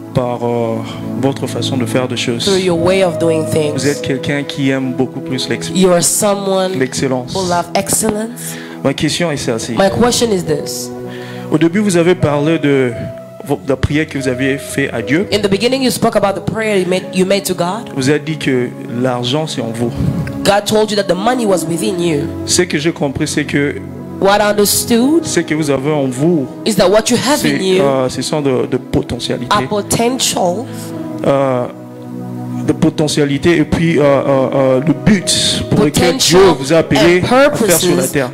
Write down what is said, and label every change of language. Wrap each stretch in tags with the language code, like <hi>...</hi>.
<fr>Par votre façon de faire des choses.</fr> <en>Through your way of doing things.</en> <fr>Vous êtes quelqu'un qui aime beaucoup plus l'excellence.</fr> <en>You are someone</en> <fr>l'excellence.</fr> <en>Who love excellence.</en> <fr>Ma question est celle-ci.</fr> <en>My question is this.</en> <fr>Au début, vous avez parlé de la prière que vous aviez fait à Dieu.</fr> <en>In the beginning, you spoke about the prayer you made to God.</en> <fr>Vous avez dit que l'argent c'est en vous.</fr> <en>God told you that the money was within you.</en> <fr>Ce que j'ai compris, c'est que</fr> <en>what I understood,</en> <fr>ce que vous avez en vous,</fr> <en>is that what you have in you,</en> <fr>ce sont de potentialités.</fr> <en>A potential.</en> <fr>De potentialité et puis le but pour lequel Dieu vous a appelé à faire sur la terre.</fr>